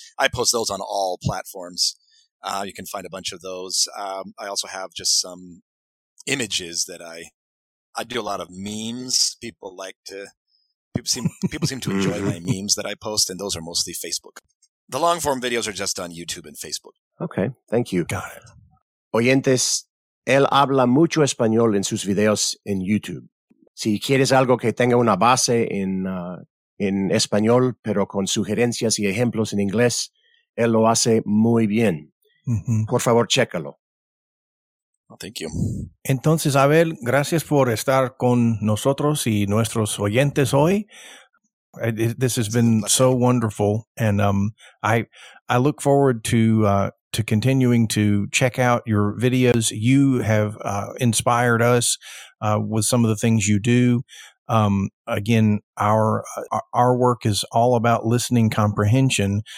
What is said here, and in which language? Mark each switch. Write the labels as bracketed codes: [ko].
[en] I post those on all platforms. You can find a bunch of those. I also have just some images that I do a lot of memes. People seem to enjoy my memes that I post, and those are mostly Facebook. The long form videos are just on YouTube and Facebook. Okay. Thank you. Got it. [es] Oyentes, él habla mucho español en sus videos en YouTube. Si quieres algo que tenga una base en español, pero con sugerencias y ejemplos en inglés, él lo hace muy bien. Mm-hmm. Por favor, chécalo. [en] Well, thank you. [es] Entonces, Abel, gracias por estar con nosotros y nuestros oyentes hoy. [en] This has been so wonderful, and I look forward to continuing to check out your videos. You have inspired us with some of the things you do. Again, our work is all about listening comprehension.